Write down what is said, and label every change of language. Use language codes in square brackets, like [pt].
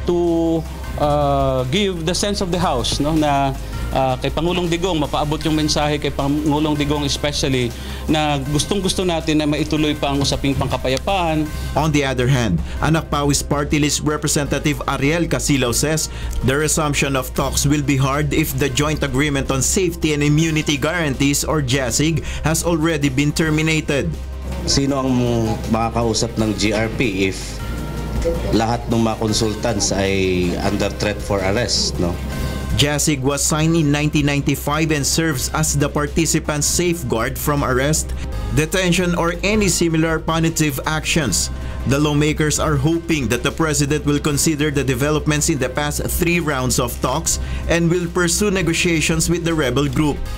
[en] To give the sense of the House, [tl] no, na kay Pangulong Digong, mapaabot yung mensahe kay Pangulong Digong especially na gustong-gusto natin na maituloy pa ang usaping pangkapayapaan. [en] On the other hand, Anak Pawis Party List Representative Ariel Casilao says the resumption of talks will be hard if the Joint Agreement on Safety and Immunity Guarantees or JASIG has already been terminated. [tl] Sino ang makakausap ng GRP if lahat ng mga consultants ay [en] under threat for arrest, [tl] no? [en] JASIG was signed in 1995 and serves as the participant's safeguard from arrest, detention, or any similar punitive actions. The lawmakers are hoping that the president will consider the developments in the past three rounds of talks and will pursue negotiations with the rebel group.